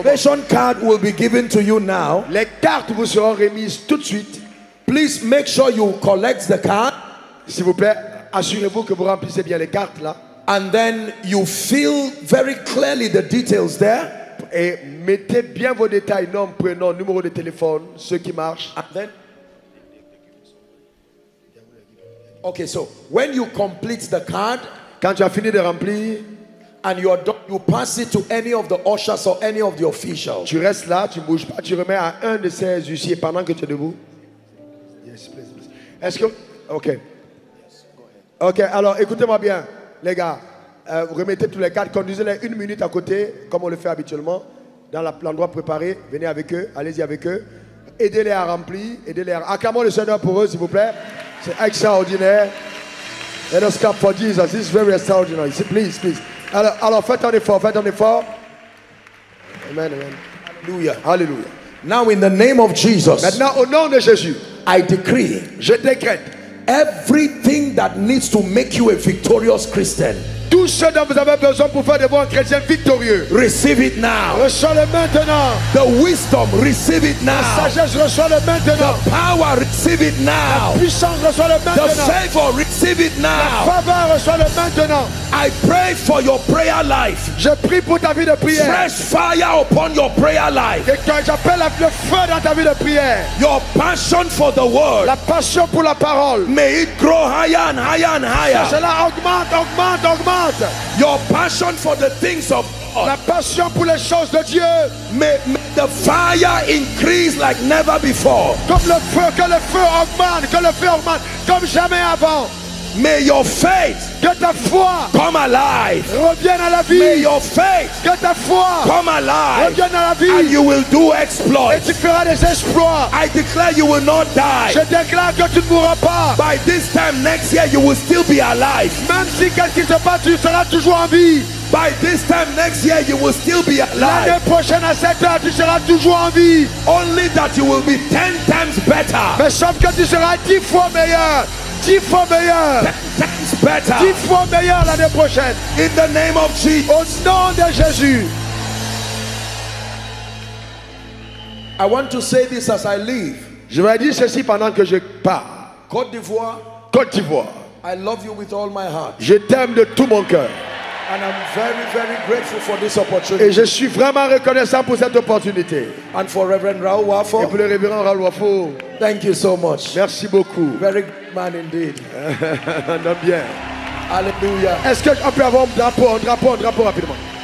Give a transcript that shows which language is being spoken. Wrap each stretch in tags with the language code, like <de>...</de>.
<en>A salvation card will be given to you now.</en> <fr>Les cartes vous seront remises tout de suite.</fr> <en>Please make sure you collect the card.</en> <fr>S'il vous plaît. Assurez-vous que vous remplissez bien les cartes là.</fr> <en>And then you fill very clearly the details there.</en> <fr>Et mettez bien vos détails, nom, prénom, numéro de téléphone, ce qui marche.</fr> <en>And then, okay, so when you complete the card,</en> <fr>quand tu as fini de remplir,</fr> <en>and you are done, you pass it to any of the ushers or any of the officials.</en> <fr>Tu restes là, tu bouges pas, tu remets à un de ces huissiers pendant que tu es debout.</fr> <en>Yes, please, please.</en> <fr>Est-ce que, okay. Ok, alors écoutez-moi bien, les gars. Remettez tous les cartes, conduisez-les une minute à côté, comme on le fait habituellement, dans l'endroit préparé. Venez avec eux, allez-y avec eux. Aidez-les à remplir, aidez-les à. Acclamons le Seigneur pour eux, s'il vous plaît. C'est extraordinaire.</fr> <en>Let us clap for Jesus. This is very extraordinary. Please, please.</en> <fr>Alors faites un effort. Amen, amen. Alléluia. Alléluia.</fr> <en>Now, in the name of Jesus.</en> <fr>Maintenant, au nom de Jésus,</fr> <en>I decree.</en> <fr>Je décrète.</fr> <en>Everything that needs to make you a victorious Christian.</en> <fr>Tout ce dont vous avez besoin pour faire de vous un chrétien victorieux.</fr> <en>Receive it now.</en> <fr>Reçois-le maintenant.</fr> <en>The wisdom, receive it now.</en> <fr>La sagesse, reçois-le maintenant.</fr> <en>The power, receive it now.</en> <fr>La puissance, reçois-le maintenant.</fr> <en>The favor, receive it now.</en> <fr>La faveur, reçois-le maintenant.</fr> <en>I pray for your prayer life.</en> <fr>Je prie pour ta vie de prière.</fr> <en>Fresh fire upon your prayer life.</en> <fr>Et quand j'appelle le feu dans ta vie de prière.</fr> <en>Your passion for the word.</en> <fr>La passion pour la parole.</fr> <en>May it grow higher and higher and higher.</en> <fr>Que cela augmente.</fr> <en>Your passion for the things of God.</en> <fr>La passion pour les choses de Dieu.</fr> <en>May the fire increase like never before.</en> <fr>Comme le feu, que le feu augmente, que le feu augmente, comme jamais avant.</fr> <en>May your faith,</en> <fr>que ta foi,</fr> <en>come alive.</en> <fr>Revienne à la vie.</fr> <en>May your faith,</en> <fr>que ta foi,</fr> <en>come alive.</en> <fr>Revienne à la vie.</fr> <en>And you will do exploits.</en> <fr>Et tu feras des exploits.</fr> <en>I declare you will not die.</en> <fr>Je déclare que tu ne mourras pas.</fr> <en>By this time next year, you will still be alive.</en> <fr>Même si quelqu'un se bat, tu seras toujours en vie.</fr> <en>By this time next year, you will still be alive.</en> <fr>L'année prochaine à cette heure, tu seras toujours en vie.</fr> <en>Only that you will be 10 times better.</en> <fr>Mais sauf que tu seras 10 fois meilleur. 10 fois meilleur.</fr> <en>10 times better.</en> <fr>10 fois meilleur l'année prochaine.</fr> <en>In the name of Jesus.</en> <fr>Au nom de Jésus.</fr> <en>I want to say this as I leave.</en> <fr>Je vais dire ceci pendant que je pars. Côte d'Ivoire. Côte d'Ivoire.</fr> <en>I love you with all my heart.</en> <fr>Je t'aime de tout mon cœur.</fr> <en>And I'm very, very grateful for this opportunity.</en> <fr>Et je suis vraiment reconnaissant pour cette opportunité.</fr> <en>And for Reverend Raoul Wafo.</en> <fr>Et pour le révérend Raoul Wafo.</fr> <en>Thank you so much.</en> <fr>Merci beaucoup.</fr> <en>Very man indeed.</en> <fr>Non bien. Alléluia. Est-ce qu'on peut avoir un drapeau rapidement?</fr>